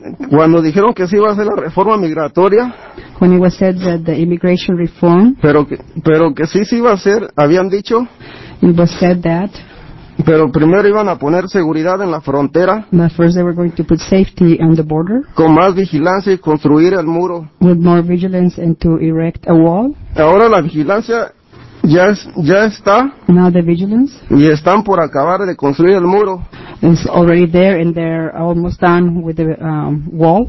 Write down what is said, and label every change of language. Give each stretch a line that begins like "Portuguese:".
Spanish: Cuando dijeron que se iba a hacer la reforma migratoria.
English: When it was said that the immigration reform.
Spanish: Pero que sí se iba a hacer, habían dicho.
English: It was said that.
Spanish: Pero primero iban a poner seguridad en la frontera.
English: But first they were going to put safety on the border.
Spanish: Con más vigilancia y construir el muro.
English: With more vigilance and to erect a wall.
Spanish: Ahora la vigilancia ya está.
English: Now the vigilance.
Spanish: Y están por acabar de construir el muro.
English: It's already there and they're almost done with the wall.